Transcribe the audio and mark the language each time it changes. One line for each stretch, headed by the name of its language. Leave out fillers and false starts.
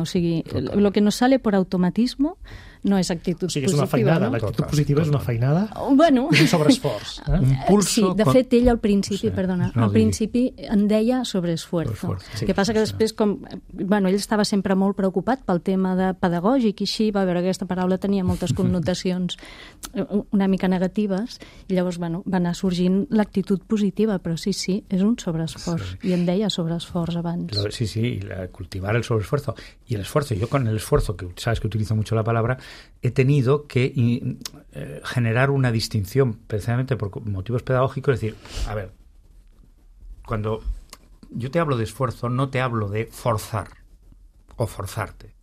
Catalan: O sigui,
Spanish: lo que nos sale por automatismo
Catalan: no és actitud positiva. O sigui, és una feinada. No? L'actitud positiva és una feinada. Bueno, un sobreesforç.
Spanish: Un pulso.
Catalan: Sí, de fet, ell al principi, al principi en deia sobreesforzo. Sí, que passa que després, com, bueno, ell estava sempre molt preocupat pel tema de pedagògic i així, va veure que aquesta paraula tenia moltes connotacions una mica negatives, i llavors, bueno, va anar sorgint l'actitud positiva, però sí, sí, és un sobreesforç. Sí. I en deia sobreesforç abans. Sí, sí, cultivar el sobreesforzo. I l'esforç, jo
Spanish: con el esforç, que sabes que utilizo mucho la palabra, he tenido que generar una distinción precisamente por motivos pedagógicos. Es decir, a ver, cuando yo te hablo de esfuerzo, no te hablo de forzar o forzarte.